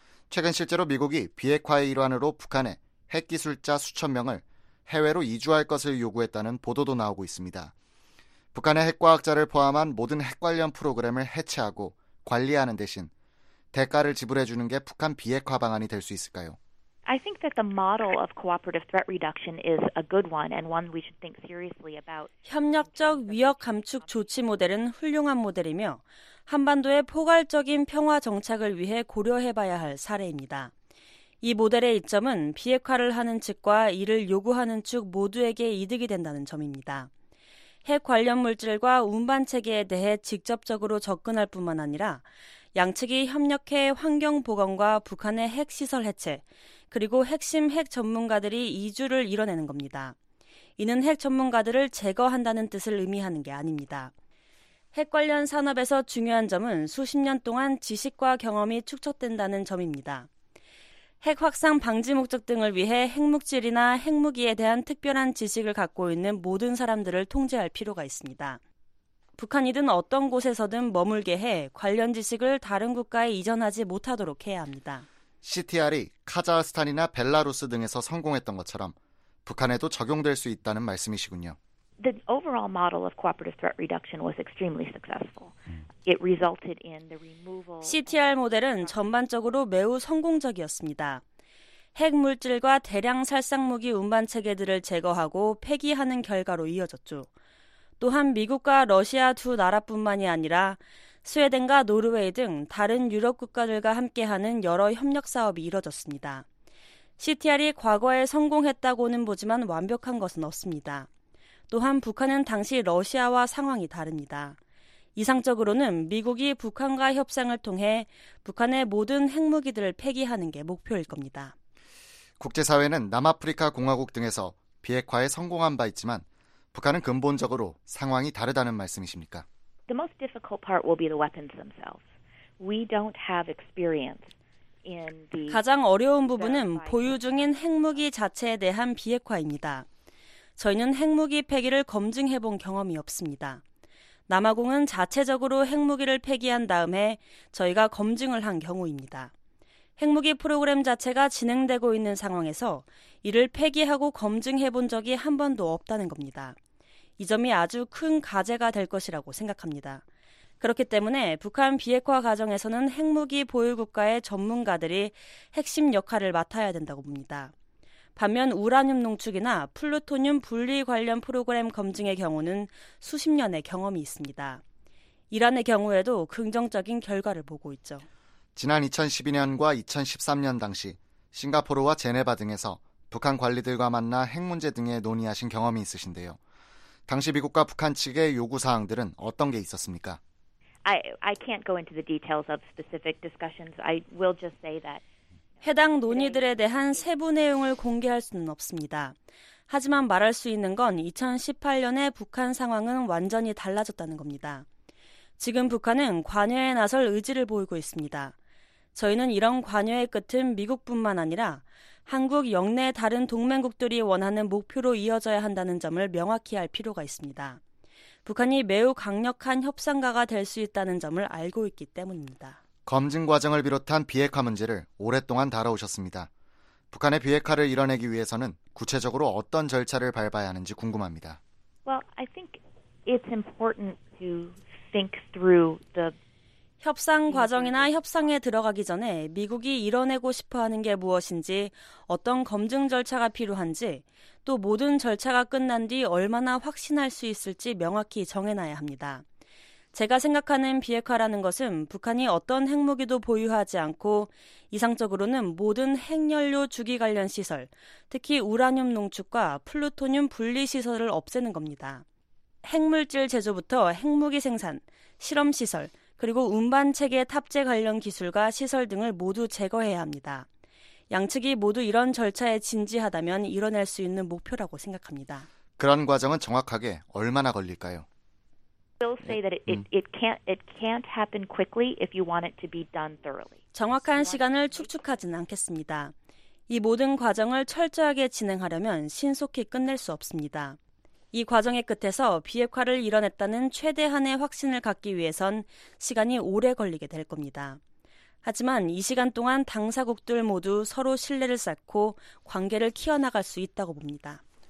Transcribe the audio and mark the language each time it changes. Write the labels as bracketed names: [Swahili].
[Korean] 최근 실제로 미국이 비핵화의 일환으로 북한에 핵기술자 수천 명을 해외로 이주할 것을 요구했다는 보도도 나오고 있습니다. 북한의 핵과학자를 포함한 모든 핵 관련 프로그램을 해체하고 관리하는 대신 대가를 지불해주는 게 북한 비핵화 방안이 될 수 있을까요? [English] I think that the model of cooperative threat reduction is a good one and one we should think seriously about. [Korean] 협력적 위협 감축 조치 모델은 훌륭한 모델이며 한반도의 포괄적인 평화 정착을 위해 고려해봐야 할 사례입니다. 이 모델의 이점은 비핵화를 하는 측과 이를 요구하는 측 모두에게 이득이 된다는 점입니다. 핵 관련 물질과 운반 체계에 대해 직접적으로 접근할 뿐만 아니라 양측이 협력해 환경보건과 북한의 핵시설 해체, 그리고 핵심 핵 전문가들이 이주를 이뤄내는 겁니다. 이는 핵 전문가들을 제거한다는 뜻을 의미하는 게 아닙니다. 핵 관련 산업에서 중요한 점은 수십 년 동안 지식과 경험이 축적된다는 점입니다. 핵 확산 방지 목적 등을 위해 핵물질이나 핵무기에 대한 특별한 지식을 갖고 있는 모든 사람들을 통제할 필요가 있습니다. 북한이든 어떤 곳에서든 머물게 해 관련 지식을 다른 국가에 이전하지 못하도록 해야 합니다. CTR이 카자흐스탄이나 벨라루스 등에서 성공했던 것처럼 북한에도 적용될 수 있다는 말씀이시군요. [English] The overall model of cooperative threat reduction was extremely successful. It resulted in the removal. [Korean] CTR 모델은 전반적으로 매우 성공적이었습니다. 핵 물질과 대량 살상 무기 운반 체계들을 제거하고 폐기하는 결과로 이어졌죠. 또한 미국과 러시아 두 나라뿐만이 아니라 스웨덴과 노르웨이 등 다른 유럽 국가들과 함께하는 여러 협력 사업이 이뤄졌습니다. CTR이 과거에 성공했다고는 보지만 완벽한 것은 없습니다. 또한 북한은 당시 러시아와 상황이 다릅니다. 이상적으로는 미국이 북한과 협상을 통해 북한의 모든 핵무기들을 폐기하는 게 목표일 겁니다. 국제사회는 남아프리카 공화국 등에서 비핵화에 성공한 바 있지만 북한은 근본적으로 상황이 다르다는 말씀이십니까? [English] The most difficult part will be the weapons themselves. We don't have experience. [Korean] 가장 어려운 부분은 보유 중인 핵무기 자체에 대한 비핵화입니다. 저희는 핵무기 폐기를 검증해본 경험이 없습니다. 남아공은 자체적으로 핵무기를 폐기한 다음에 저희가 검증을 한 경우입니다. 핵무기 프로그램 자체가 진행되고 있는 상황에서 이를 폐기하고 검증해본 적이 한 번도 없다는 겁니다. 이 점이 아주 큰 과제가 될 것이라고 생각합니다. 그렇기 때문에 북한 비핵화 과정에서는 핵무기 보유 국가의 전문가들이 핵심 역할을 맡아야 된다고 봅니다. 반면 우라늄 농축이나 플루토늄 분리 관련 프로그램 검증의 경우는 수십 년의 경험이 있습니다. 이란의 경우에도 긍정적인 결과를 보고 있죠. 지난 2012년과 2013년 당시 싱가포르와 제네바 등에서 북한 관리들과 만나 핵 문제 등에 논의하신 경험이 있으신데요. 당시 미국과 북한 측의 요구 사항들은 어떤 게 있었습니까? [English] I can't go into the details of specific discussions. I will just say that [Korean] 해당 논의들에 대한 세부 내용을 공개할 수는 없습니다. 하지만 말할 수 있는 건 2018년에 북한 상황은 완전히 달라졌다는 겁니다. 지금 북한은 관여에 나설 의지를 보이고 있습니다. 저희는 이런 관여의 끝은 미국뿐만 아니라 한국 영내 다른 동맹국들이 원하는 목표로 이어져야 한다는 점을 명확히 할 필요가 있습니다. 북한이 매우 강력한 협상가가 될 수 있다는 점을 알고 있기 때문입니다. 검증 과정을 비롯한 비핵화 문제를 오랫동안 다뤄오셨습니다. 북한의 비핵화를 이뤄내기 위해서는 구체적으로 어떤 절차를 밟아야 하는지 궁금합니다. [English] Well, I think it's important to think through the [Korean] 협상 과정이나 협상에 들어가기 전에 미국이 이뤄내고 싶어하는 게 무엇인지, 어떤 검증 절차가 필요한지, 또 모든 절차가 끝난 뒤 얼마나 확신할 수 있을지 명확히 정해놔야 합니다. 제가 생각하는 비핵화라는 것은 북한이 어떤 핵무기도 보유하지 않고 이상적으로는 모든 핵연료 주기 관련 시설, 특히 우라늄 농축과 플루토늄 분리 시설을 없애는 겁니다. 핵물질 제조부터 핵무기 생산, 실험시설, 그리고 운반 체계 탑재 관련 기술과 시설 등을 모두 제거해야 합니다. 양측이 모두 이런 절차에 진지하다면 이뤄낼 수 있는 목표라고 생각합니다. 그런 과정은 정확하게 얼마나 걸릴까요? [English] Still say that it can't happen quickly if you want it to be done thoroughly. [Korean] 정확한 시간을 축축하지는 않겠습니다. 이 모든 과정을 철저하게 진행하려면 신속히 끝낼 수 없습니다. 이 과정의 끝에서 비핵화를 이뤄냈다는 최대한의 확신을 갖기 위해선 시간이 오래 걸리게 될 겁니다. 하지만 이 시간 동안 당사국들 모두 서로 신뢰를 쌓고 관계를 키워나갈 수 있다고 봅니다.